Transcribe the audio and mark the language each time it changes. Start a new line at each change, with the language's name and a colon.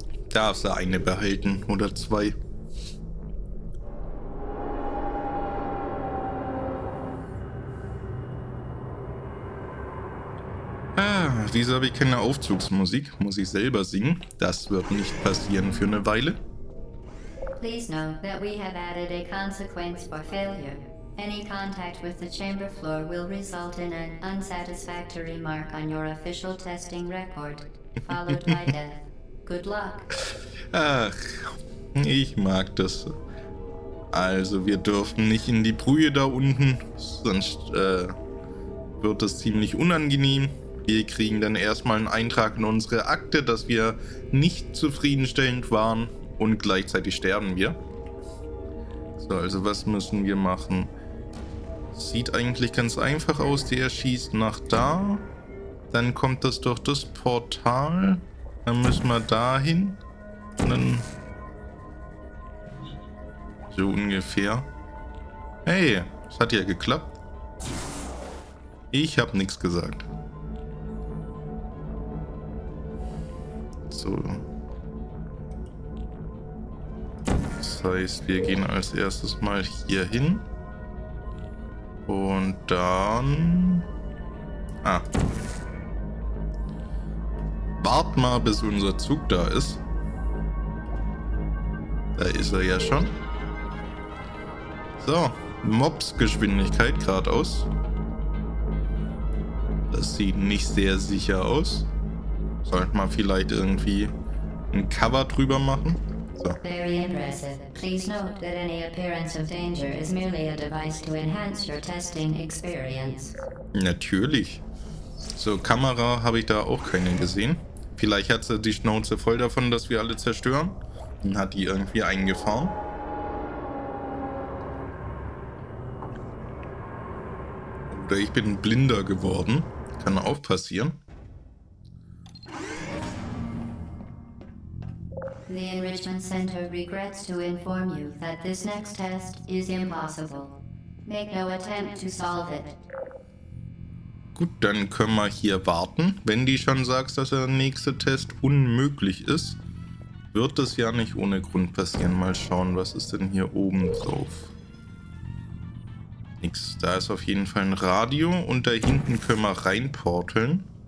German: Darfst du eine behalten oder zwei? Ah, wieso habe ich keine Aufzugsmusik? Muss ich selber singen? Das wird nicht passieren für eine Weile.
English: Please know that we have added a consequence for failure. Any contact with the chamber floor will result in an unsatisfactory mark on your official testing record, followed by death. Good luck.
German: Ach, ich mag das. Also, wir dürfen nicht in die Brühe da unten, sonst wird das ziemlich unangenehm. Wir kriegen dann erstmal einen Eintrag in unsere Akte, dass wir nicht zufriedenstellend waren und gleichzeitig sterben wir. So, also was müssen wir machen? Sieht eigentlich ganz einfach aus, der schießt nach da. Dann kommt das durch das Portal. Dann müssen wir da hin. Dann so ungefähr. Hey, es hat ja geklappt. Ich habe nichts gesagt. So. Das heißt, wir gehen als erstes mal hier hin. Und dann... Ah. Wart mal, bis unser Zug da ist. Da ist er ja schon. So, Mobsgeschwindigkeit geradeaus. Das sieht nicht sehr sicher aus. Sollte man vielleicht irgendwie ein Cover drüber machen. So.
English: Very impressive. Please note that any appearance of danger is merely a device to enhance your testing experience.
German: Natürlich. So, Kamera habe ich da auch keine gesehen. Vielleicht hat sie die Schnauze voll davon, dass wir alle zerstören. Dann hat die irgendwie eingefahren. Oder ich bin blinder geworden. Kann auch passieren.
English: The Enrichment Center regrets to inform you that this next test is impossible. Make no attempt to solve it.
German: Gut, dann können wir hier warten. Wenn die schon sagt, dass der nächste Test unmöglich ist, wird das ja nicht ohne Grund passieren. Mal schauen, was ist denn hier oben drauf? Nix. Da ist auf jeden Fall ein Radio und da hinten können wir reinporteln.